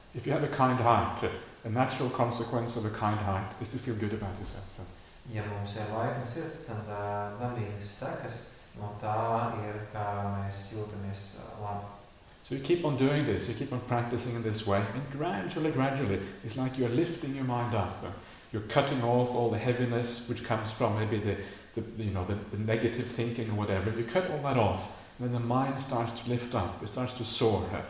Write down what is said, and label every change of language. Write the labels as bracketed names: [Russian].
[English] If you have a kind heart, a natural consequence of a kind heart is to feel good about yourself. [Latvian] Ja mums ir laipna sirds, tad labības sekas no tā ir, ka mēs jūtamies labi. [English] So you keep on doing this, you keep on practicing in this way, and gradually, it's like you're lifting your mind up. You're cutting off all the heaviness which comes from maybe the negative thinking or whatever. You cut all that off, and then the mind starts to lift up, it starts to soar.